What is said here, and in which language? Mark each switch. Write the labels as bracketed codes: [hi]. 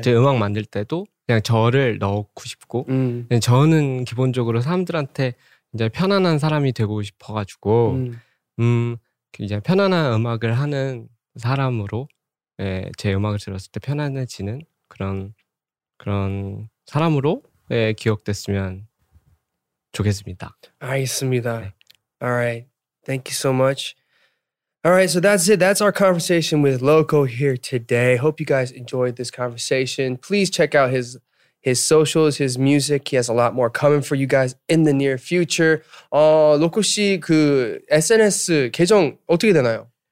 [ko] 제 음악 만들 때도 그냥 저를 넣고 싶고 그냥 저는 기본적으로 사람들한테 이제 편안한 사람이 되고 싶어가지고 이제 편안한 음악을 하는 사람으로 예, 제 음악을 들었을 때 편안해지는 그런 사람으로 예, 기억됐으면 좋겠습니다. 알겠습니다. 네. [en] Alright, thank you so much. Alright, so that's it. That's our conversation with Loco here today. Hope you guys enjoyed this conversation. Please check out his socials, his music. He has a lot more coming for you guys in the near future. [ko] Loco 씨 그 SNS 계정 어떻게 되나요?